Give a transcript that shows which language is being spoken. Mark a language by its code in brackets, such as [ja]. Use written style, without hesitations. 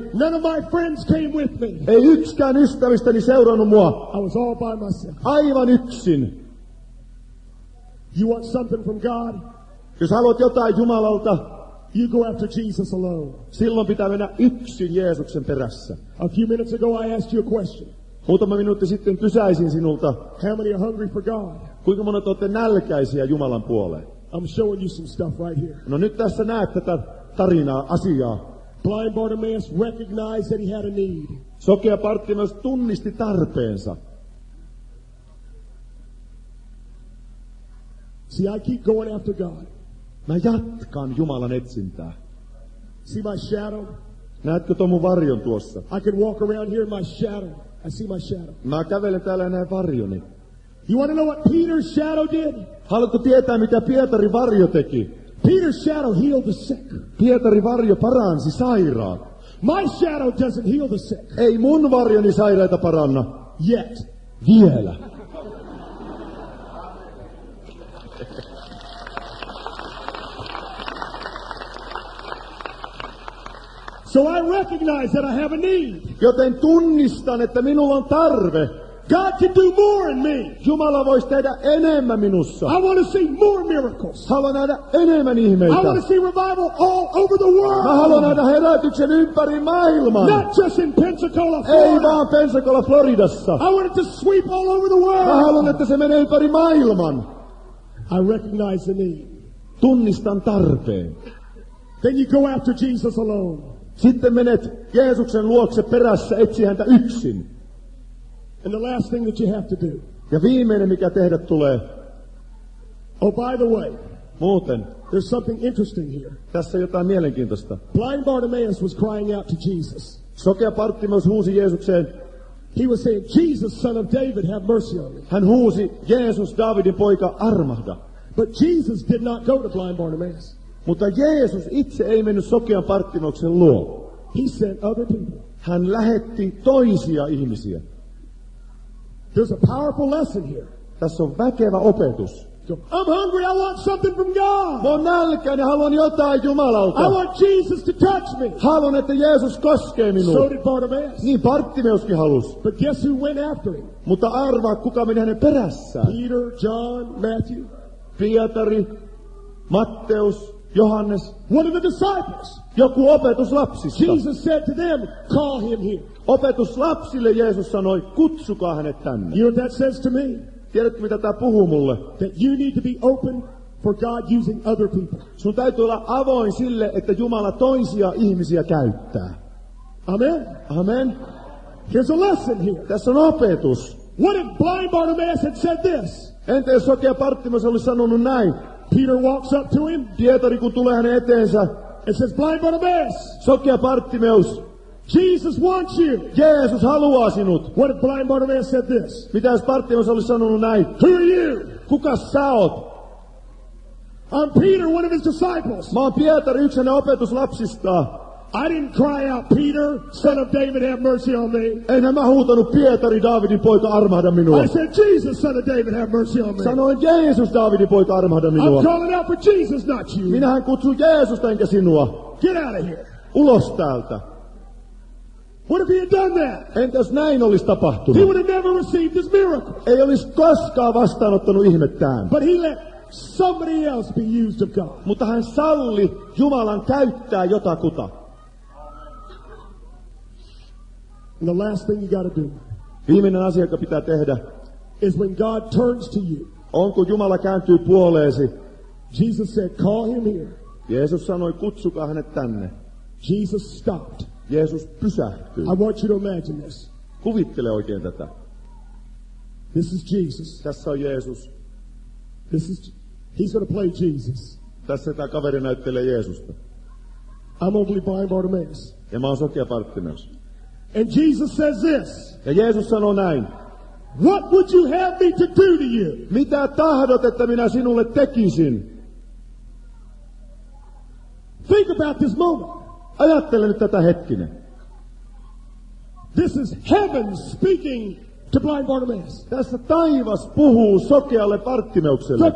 [en] None of my friends came with me. [fi] Ei yksikään ystävistäni seurannut mua. [en] I was all by myself. [fi] Aivan yksin. [en] You want something from God? [fi] Jos haluat jotain Jumalalta, [en] you go after Jesus alone. [fi] Silloin pitää mennä yksin Jeesuksen perässä. [en] A few minutes ago I asked you a question. [fi] Muutama minuutti sitten kysäisin sinulta. [en] How many are hungry for God? [fi] Kuinka monet olette nälkäisiä Jumalan puoleen? [en] I'm showing you some stuff right here. [fi] No nyt tässä näet tätä tarinaa, asiaa. [en] Blind Bartimaeus recognized that he had a need. [fi] Sokea Bartimaeus tunnisti tarpeensa. [en] See, I keep going after God. [fi] Mä jatkan Jumalan etsintää. [en] See my shadow? [fi] Näetkö tuon mun varjon tuossa? [en] I can walk around here in my shadow. I see my shadow. [fi] Mä kävelen täällä ja näen varjoni. [en] You want to know what Peter's shadow did? [fi] Haluatko tietää, mitä Pietarin varjo teki? [en] Peter's shadow healed the sick. [fi] Pietarin varjo paransi sairaat. [en] My shadow doesn't heal the sick. [fi] Ei mun varjoni sairaita paranna. [en] Yet. [fi] Vielä. [en] So I recognize that I have a need. [fi] Joten tunnistan, että minulla on tarve. [en] God can do more in me. [fi] Jumala voisi tehdä enemmän minussa. [en] I want to see more miracles. [fi] Haluan nähdä enemmän ihmeitä. [en] I want to see revival all over the world. [fi] Mä haluan nähdä herätyksen ympäri maailman. [en] Not just in Pensacola, Florida. [fi] Ei vaan Pensacola, Floridassa. [en] I want it to sweep all over the world. [fi] Mä haluan, että se menee ympäri maailman. [en] I recognize the need. [fi] Tunnistan tarpeen. [en] Then you go after Jesus alone. [fi] Sitten menet Jeesuksen luokse perässä, etsi häntä yksin. [en] And the last thing that you have to do. [fi] Ja viimeinen, mikä tehdä tulee. [en] Oh, by the way. [fi] Muuten. [en] There's something interesting here. [fi] Tässä jotain mielenkiintoista. [en] Blind Bartimaeus was crying out to Jesus. [fi] Sokea Bartimaeus huusi Jeesukseen. [en] He was saying, Jesus, son of David, have mercy on me. [fi] Hän huusi, Jeesus, Davidin poika, armahda. [en] But Jesus did not go to blind Bartimaeus. [fi] Mutta Jeesus itse ei mennyt sokean Bartimaeuksen luo. [en] He sent other people. [fi] Hän lähetti toisia ihmisiä. [en] There's a powerful lesson here. [fi] Tässä on väkevä opetus. [en] I'm hungry, I want something from God. [fi] Mä oon nälkäinen, haluan jotain Jumalalta. [en] I want Jesus to touch me. [fi] Haluan, että Jeesus koskee minua. [en] So did Bartimaeus. [fi] Niin Bartimaeuskin halusi. [en] But guess who went after him? [fi] Mutta arvaa, kuka meni hänen perässään. [en] Peter, John, Matthew. [fi] Pietari, Matteus. Johannes, [en] one of the disciples. [fi] Joku opetuslapsista. [en] Jesus said to them, call him here. [fi] Opetuslapsille Jeesus sanoi, kutsukaa hänet tänne. [en] You know what that says to me? [fi] Tiedätkö, mitä tämä puhuu mulle? [en] That you need to be open for God using other people. [fi] Sun täytyy olla avoin sille, että Jumala toisia ihmisiä käyttää. [en] Amen. [fi] Amen. [en] Here's a lesson here. [fi] Tässä on opetus. [en] What if blind Bartimaeus had said this? [fi] Entä jos sokea Bartimaeus olisi sanonut näin? [en] Peter walks up to him. [fi] Pietari kun tulee hänen eteensä. [en] And says, blind Bartimaeus. [fi] Sokea Bartimaeus. [en] Jesus wants you. [fi] Jeesus haluaa sinut. [en] What if blind Bartimaeus said this? [fi] Mitä jos Bartimaeus olisi sanonut näin? [en] Who are you? [fi] Kuka sä oot? [en] I'm Peter, one of his disciples. [fi] Mä oon Pietari, yksi hänen opetuslapsista. [en] I didn't cry out, Peter, son of David, have mercy on me. [fi] Enhän mä huutanut Pietari, Davidin poika, armahda minua. [en] I said, Jesus, son of David, have mercy on me. [fi] Sanoin, Jeesus, Davidin poika, armahda minua. [en] I'm calling out for Jesus, not you. [fi] Minähän kutsun Jeesusta, enkä sinua. [en] Get out of here. [fi] Ulos täältä. [en] What if he had done that? [fi] Entäs näin olisi tapahtunut? [en] He would have never received his miracle. [fi] Ei olisi koskaan vastaanottanut ihmettään. [en] But he let somebody else be used of God. [fi] Mutta hän salli Jumalan käyttää jotakuta. [en] The last thing you got to do. [fi] Viimeinen asia, joka pitää tehdä. [en] Is when God turns to you. [fi] On kun Jumala kääntyy puoleesi. [en] Jesus said, "Call him here." [fi] Jeesus sanoi, kutsukaa hänet tänne. [en] Jesus stopped. [fi] Jeesus pysähtyi. [en] I want you to imagine this. [fi] Kuvittele oikein tätä. [en] This is Jesus. [fi] Tässä on Jeesus. [en] This is. He's going to play Jesus. [fi] Tässä tämä kaveri näyttelee Jeesusta. [en] I'm only blind Bartimaeus. [fi] Ja mä oon sokea Bartimaeus. [en] And Jesus says this. [fi] Ja Jeesus sanoo näin. [en] What would you have me to do to you? [fi] Mitä tahdot, että minä sinulle tekisin? [en] Think about this moment. [fi] Ajattele nyt tätä hetkinen. [en] This is heaven speaking to blind Bartimaeus. [fi] Tässä taivas puhuu sokealle Bartimeukselle.